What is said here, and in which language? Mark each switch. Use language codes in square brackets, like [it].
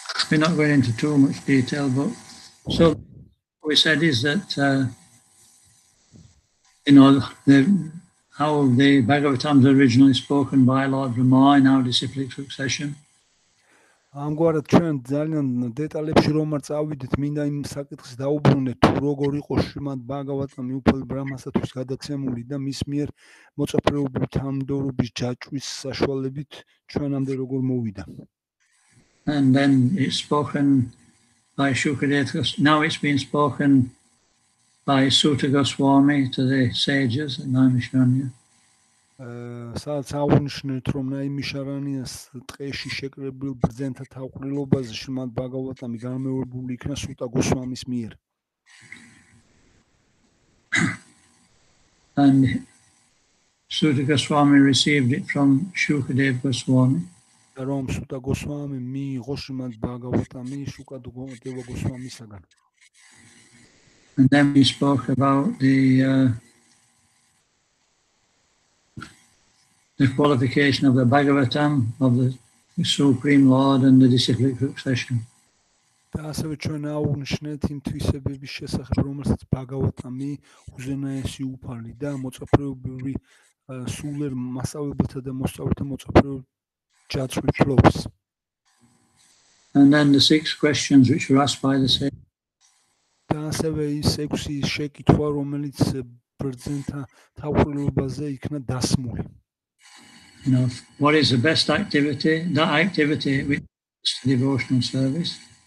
[en] We're not going into too much detail, but so what we said is that you know the how the Bhagavatam is originally spoken by Lord Rama in our disciplic succession. [ka] ამგვარად ჩვენ ძალიან დეტალებში რომ არ წავიდეთ, მინდა იმ საკითხს დაუბრუნდეთ, როგორ იყო შრიმად ბაგავატამი უფალ ბრამასათვის გადაცემული და მის მიერ მოწაფრეობრივი თანამდებობის ჯაჭვის საშუალებით ჩვენამდე როგორ მოვიდა. [en] And then it's spoken by Shukadeva. Now it's been spoken by Suta Goswami to the sages at Naimisharanya. [ka] სადაც აღნიშნეთ რომ ნაიმიშარანიას ტყეში შეკრებილ ბრძენთა თავყრილობაზე შრიმად ბაგავატამი განმეორებული იქნა სუტა გოსვამის მიერ. [en] And Suta Goswami received it from Shukadeva Goswami. [ka] რომ სუტა გოსვამი მიიღო შრიმად ბაგავატამი შუკა დევა გოსვამისაგან. [en] And then we spoke about the qualification of the Bhagavatam of the supreme lord and the disciplic succession [ka] ასევე ჩვენ აღვნიშნეთ იმ თვისებების შესახებ რომელსაც ბაგავატამი უზენაესი უფალი და მოწაფრეობრივი სულერ მასავებთა და მოსწავლეთა მოწაფრეობ ჯაჭვის ფლობს [en] and then the six questions which were asked by the same [ka] ასევე ის ექვსი შეკითხვა რომელიც ბრძენთა თავყრილობაზე იქნა დასმული [en] You know, what is the best activity? That activity which is the devotional service.